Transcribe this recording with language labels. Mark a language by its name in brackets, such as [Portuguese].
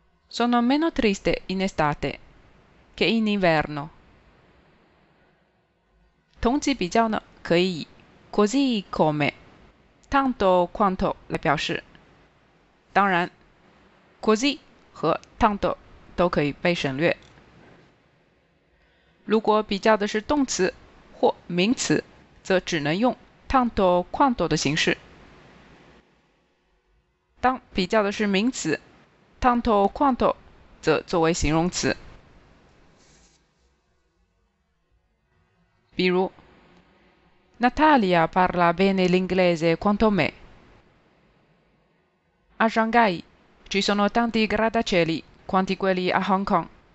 [Italian] Sono meno triste in estate che in inverno. [Chinese] 同级比较呢，可以以 così come, tanto quanto 来表示。当然 ，così 和 tanto 都可以被省略。如果比较的是动词或名词，则只能用 tanto quanto 的形式。当比较的是名词 ，tanto quanto 则作为形容词。比如 [Italian] Natalia parla bene l'inglese quanto me. A Shanghai ci sono tanti grattacieli quanti quelli a Hong Kong.